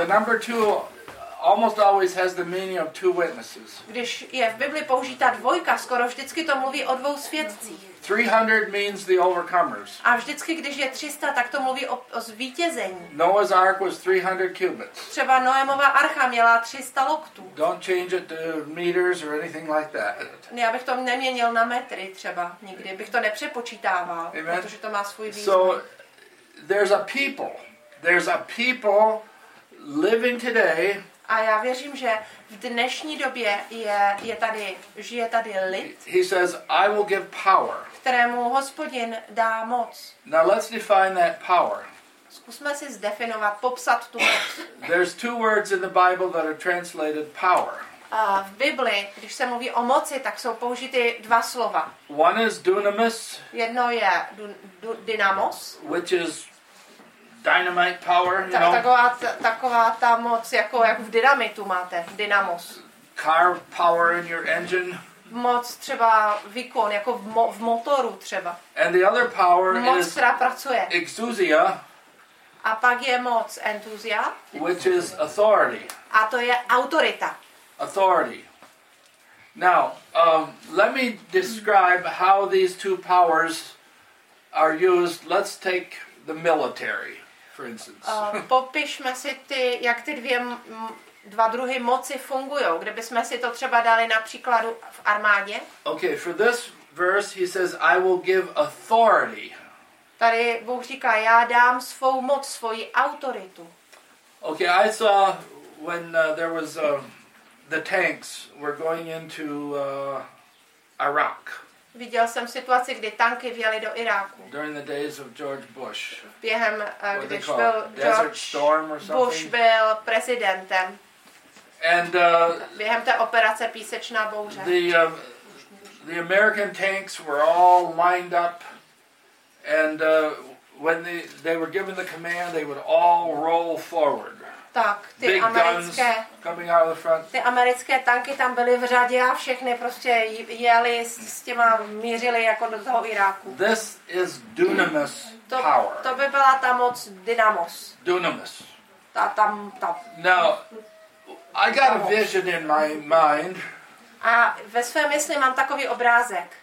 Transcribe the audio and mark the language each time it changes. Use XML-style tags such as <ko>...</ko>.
<en>The number two almost always has the meaning of two witnesses.</en> <cs>Když je v Bibli použita dvojka, skoro vždycky to mluví o dvou svědcích.</cs> <en>300 means the overcomers.</en> <cs>A vždycky, když je 300, tak to mluví o zvítězení.</cs> <en>Noah's ark was 300 cubits.</en> <cs>Třeba Noémova archa měla 300 loktů.</cs> <en>Don't change it to meters or anything like that.</en> <cs>Já bych to neměnil na metry třeba nikdy. Bych to nepřepočítával,</cs> <en>Amen.</en> <cs>Protože to má svůj význam.</cs> <en>So, there's a people. There's a people living today.</en> <cs>A já věřím, že v dnešní době je tady, žije tady lid.</cs> <en>He says, I will give power.</en> <cs>Kterému Hospodin dá moc.</cs> <en>Now let's define that power.</en> <cs>Zkusme si zdefinovat, popsat tu moc.</cs> <en>There's two words in the Bible that are translated power.</en> <cs>A v Bibli, když se mluví o moci, tak jsou použity dva slova.</cs> <en>One is dunamis.</en> <cs>Jedno je dynamos.</cs> <en>Which is dynamite power, you know.</en> <cs>Taková ta moc, jak v dynamitu máte, dynamos.</cs> <en>Car power in your engine.</en> <cs>Moc třeba výkon, jako v motoru třeba.</cs> <en>And the other power</en> <cs>moc,</cs> <en>is</en> <cs>která pracuje.</cs> <en>Exousia.</en> <cs>A pak je moc, entuzia.</cs> <en>Which is authority.</en> <cs>A to je autorita.</cs> <en>Authority. Now, let me describe how these two powers are used. Let's take the military.</en> <cs>Popišme si ty, jak ty dva druhy moci fungujou. Kdybychom si to třeba dali na příkladu v armádě.</cs> <en>Okay, for this verse he says, I will give authority.</en> <cs>Tady Bůh říká, já dám svou moc, svoji autoritu.</cs> <en>Okay, I saw when there was the tanks were going into Iraq.</en> <cs>Viděl jsem situaci, kdy tanky vjeli do Iráku.</cs> <en>During the days of George Bush.</en> <cs>Během, když byl George</cs> <en>Storm or something.</en> <cs>Bush byl prezidentem.</cs> <en>And</en> <cs>během té operace Písečná bouře.</cs> <en>The American tanks were all lined up, and when they were given the command, they would all roll forward.</en> <cs>Tak, ty</cs> <en>big</en> <cs>americké</cs> <en>guns coming out of the front.</en> <cs>Ty americké tanky tam byly v řadě a všechny prostě jeli s těma mířili jako do toho Iráku.</cs> <en>This is dunamis power.</en> <cs>To by byla ta moc dynamos.</cs> <en>Dunamis.</en> <cs>Ta.</cs> <en>Now, I got a vision in my mind.</en> <cs>A ve své mysli mám takový obrázek.</cs>